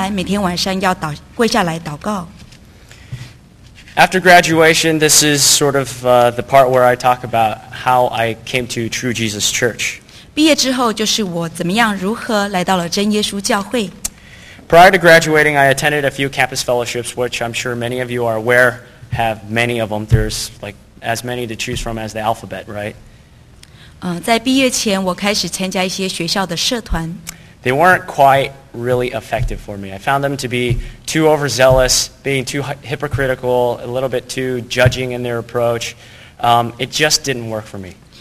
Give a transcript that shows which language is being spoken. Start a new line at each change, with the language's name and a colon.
Chinese: 那即将毕业的我告诉我自己要立志，要把马太福音念完，每天晚上要跪下来祷告。
English: After graduation, this is sort of the part where I talk about how I came to True Jesus Church.
Chinese: 毕业之后就是我怎么样如何来到了真耶稣教会。
English: Prior to graduating, I attended a few campus fellowships, which I'm sure many of you are aware have many of them. There's like as many to choose from as the alphabet, right?
Chinese: 在毕业前，我开始参加一些学校的社团。
English: They weren't quite really effective for me. I found them to be too overzealous, being too hypocritical, a little bit too judging in their approach. It just didn't work for me.